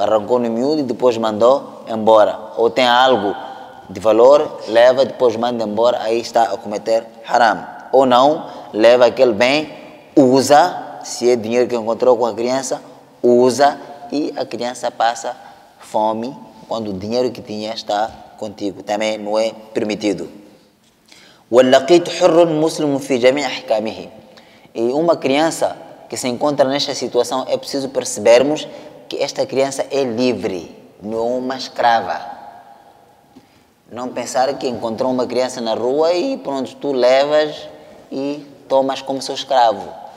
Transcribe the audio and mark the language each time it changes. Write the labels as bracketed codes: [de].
[pt] Arrancou no miúdo e depois mandou embora. Ou tem algo de valor, leva, depois manda embora, aí está a cometer haram. Ou não, leva aquele bem, usa, se é dinheiro que encontrou com a criança, usa e a criança passa fome quando o dinheiro que tinha está contigo. Também não é permitido. [ar] واللقيط حر مسلم في جميع احكامه. [pt] E uma criança que se encontra nesta situação, é preciso percebermos que esta criança é livre, não é uma escrava. Não pensar que encontrou uma criança na rua e pronto, tu levas e tomas como seu escravo.